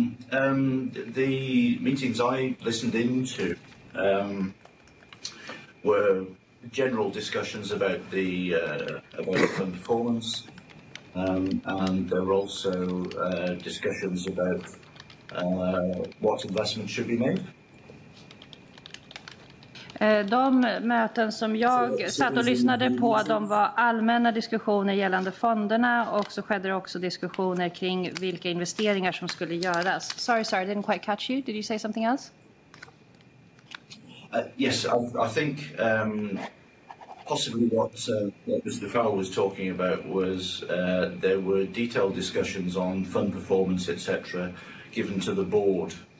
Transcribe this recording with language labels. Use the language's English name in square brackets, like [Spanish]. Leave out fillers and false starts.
[English] The meetings I listened into were general discussions about the fund performance, And there are also discussions about what investments should be made. [Swedish] De möten som jag satt och lyssnade på, de var allmänna diskussioner gällande fonderna, och så skedde det också diskussioner kring vilka investeringar som skulle göras. [English] Sorry, I didn't quite catch you. Did you say something else? Yes, I think possibly what Mr. Fowle was talking about was there were detailed discussions on fund performance, etc., given to the board.